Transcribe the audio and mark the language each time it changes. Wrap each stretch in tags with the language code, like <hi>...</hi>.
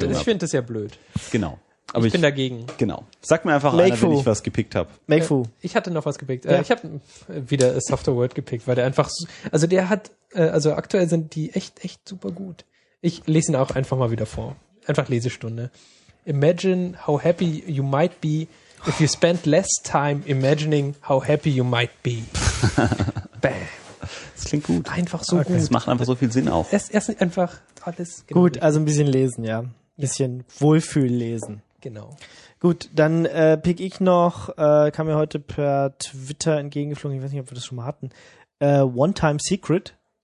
<de>habe. Ich finde das ja blöd. Genau. Aber ich bin dagegen. Genau. Sag mir einfach einer, wenn ich was gepickt habe. Meifu. Ich hatte noch was gepickt. Ja. Ich habe wieder Software World gepickt, weil der einfach so, also der hat, also aktuell sind die echt, echt super gut. Ich lese ihn auch einfach mal wieder vor. Einfach Lesestunde.</de> <en>Imagine how happy you might be if you spend less time imagining how happy you might be.</en> <de>Bam. Das klingt gut. Einfach so gut. Das macht einfach so viel Sinn auch. Erst einfach alles. Genau gut, also ein bisschen lesen, ja. Ein bisschen Wohlfühl lesen. Genau. Gut, dann pick ich noch, kam mir heute per Twitter entgegengeflogen, ich weiß nicht, ob wir das schon mal hatten, One-Time Secret.</de>